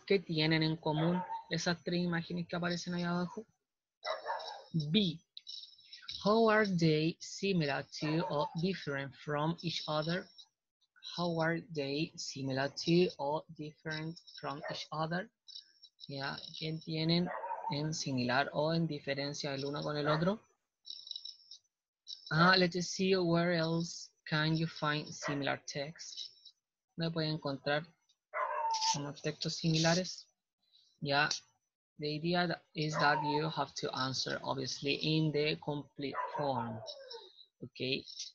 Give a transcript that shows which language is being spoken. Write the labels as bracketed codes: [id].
[es] ¿Qué tienen en común esas 3 imágenes que aparecen ahí abajo? B. [en] How are they similar to or different from each other? How are they similar to or different from each other? [es] Yeah, ¿qué tienen en similar o en diferencia el uno con el otro? [en] Let's see, where else can you find similar texts? [es] ¿Me pueden encontrar unos textos similares? [en] Yeah, the idea is that you have to answer, obviously, in the complete form, okay?